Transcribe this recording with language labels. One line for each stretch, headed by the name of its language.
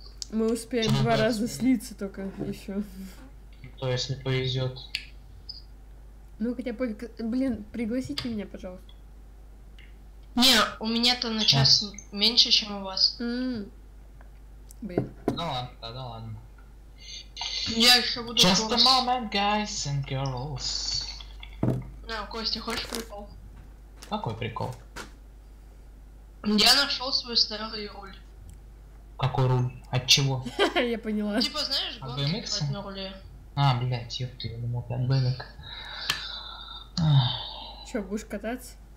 Russian: Мы успеем два раза слиться только еще. То если повезет. Ну хотя бы, блин, пригласите меня, пожалуйста. Не, у меня-то на час меньше, чем у вас. Блин. Ну ладно, тогда ладно. Я еще буду.
English: Just a moment, guys and girls.
Russian: На, Костя, хочешь прикол? Какой прикол? Я нашел свою старую руль. Какой руль? От чего? Я поняла. Типа, знаешь, гонки играть на руле. А, блядь, ёпты, я думал, там бэмик. Чё, будешь кататься?